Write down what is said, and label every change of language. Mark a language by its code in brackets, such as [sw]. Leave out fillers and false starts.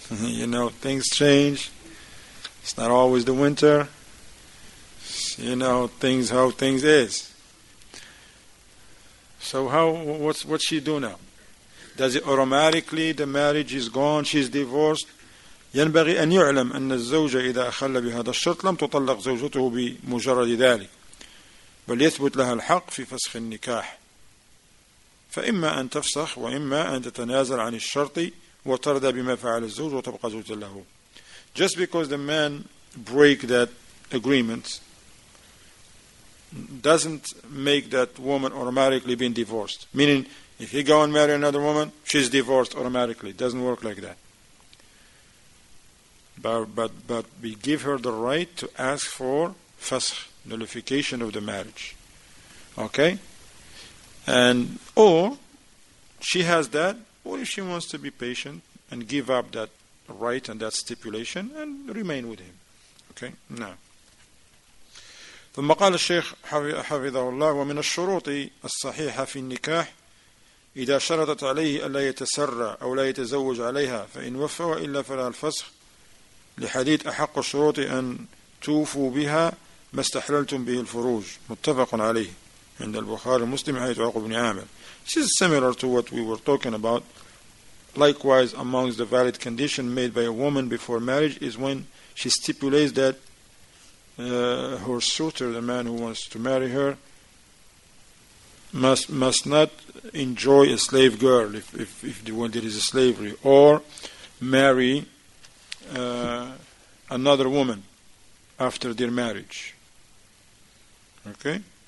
[en] You know, things change. It's not always the winter. You know, things, how things is. So how, what's she do now? Does it automatically, the marriage is gone, she's divorced? [ar] ينبغي أن يعلم أن الزوجة إذا أخل بهذا الشرط لم تطلق زوجته بمجرد ذلك بل يثبت لها الحق في فسخ النكاح فإما أن تفسخ وإما أن تتنازل عن الشرط وترضى بما فعل الزوج وتبقى زوجة له. [en] Just because the man break that agreement doesn't make that woman automatically being divorced. Meaning, if he go and marry another woman, she's divorced automatically. It doesn't work like that. But we give her the right to ask for fasakh, nullification of the marriage. Okay? And, or, she has that, or if she wants to be patient and give up that right and that stipulation and remain with him. Okay? Now. [ar] ثم قال الشيخ حفظه الله ومن الشروط الصحيحة في النكاح إذا شرطت عليه ألا يتسرى أو لا يتزوج عليها فإن وفى وإلا فلا الفسخ لحديث أحق الشروط أن توفوا بها ما استحللتم به الفروج متفق عليه عند البخاري ومسلم حديث عقب بن عامر. [en] This is similar to what we were talking about. Likewise, amongst the valid condition made by a woman before marriage is when she stipulates that her suitor, the man who wants to marry her, must not enjoy a slave girl if the one there is a slavery, or marry another woman after their marriage. Okay?